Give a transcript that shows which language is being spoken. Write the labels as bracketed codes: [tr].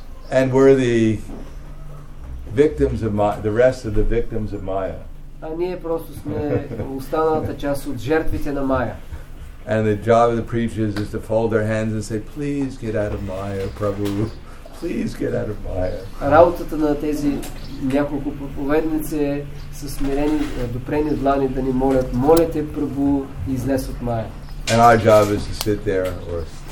[en] And we're the victims of the rest of the victims of Maya. [bg] А ние просто сме останалата част от жертвите на Maya. [en] And the job of the preachers is to fold their hands and say, "Please get out of Maya, Prabhu. Please get out of Maya." [bg] Работата на тези няколко проповедници е със смирени, допрени длани да ни молят: "Моля те, Прабу, излез от Maya." [en] And our job is to sit there or